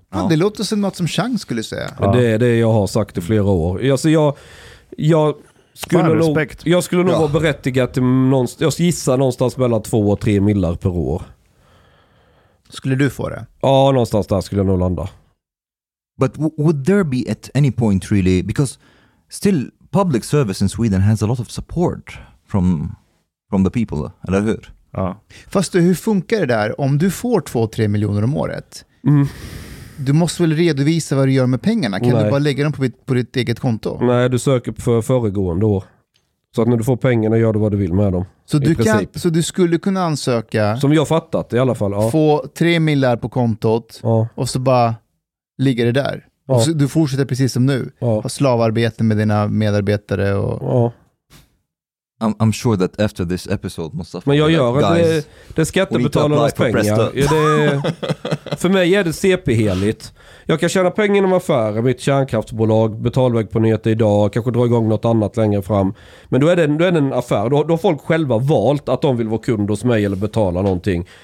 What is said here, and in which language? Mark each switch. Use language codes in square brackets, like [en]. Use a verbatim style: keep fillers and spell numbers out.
[sv] Ja. Ja, det låter som något som Chang skulle säga. Ja. Det är det jag har sagt i flera år. Alltså jag, jag skulle Fan, nog, jag skulle nog ja. vara berättigad till någonstans, jag gissar någonstans mellan två och tre millar per år. Skulle du få det? Ja, någonstans där skulle jag nog landa. [en] But w- would there be at any point really, because still public service in Sweden has a lot of support from, from the people, [sv] eller hur? Ja. Fast hur funkar det där? Om du får två till tre miljoner om året, mm. du måste väl redovisa vad du gör med pengarna? Kan Nej. du bara lägga dem på ditt, på ditt eget konto? Nej, du söker för föregående år. Så att när du får pengarna gör du vad du vill med dem. Så, du, kan, så du skulle kunna ansöka... Som jag fattat i alla fall. Ja. Få tre millar på kontot ja. och så bara ligger det där. Ja. Och så, du fortsätter precis som nu. Ja. Ha slavarbete med dina medarbetare. Och... Ja. [en] I'm, I'm sure that after this episode Mustafa, [sv] men jag gör att det, det är skattebetalarnas pengar. Ja, det, för mig är det C P-heligt. Jag kan tjäna pengar inom affärer, mitt kärnkraftsbolag, betalväg på nyhet idag, kanske dra igång något annat längre fram. Men då är det, då är det en affär. Då, då har folk själva valt att de vill vara kund hos mig eller betala någonting.